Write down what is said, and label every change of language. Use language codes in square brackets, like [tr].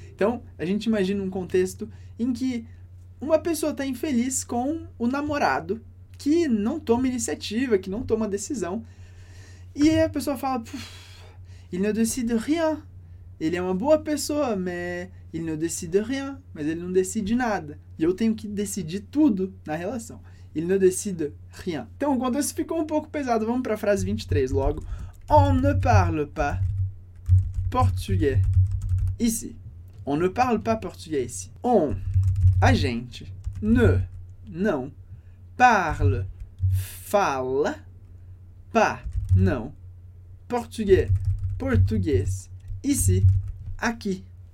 [pt] Então, a gente imagina um contexto em que uma pessoa está infeliz com o namorado, que não toma iniciativa, que não toma decisão, e aí a pessoa fala, [fr] il ne décide rien. [pt] Ele é uma boa pessoa, mas [fr] il ne décide rien. [pt] Mas ele não decide nada. E eu tenho que decidir tudo na relação. [fr] Il ne décide rien. [pt] Então, o contexto ficou um pouco pesado. Vamos para a frase 23 logo. [fr] On ne parle pas portugais ici. On ne parle pas portugais ici. [pt] On, a gente, ne, não, parle, fala, pas, não, portugais, português, ici, aqui.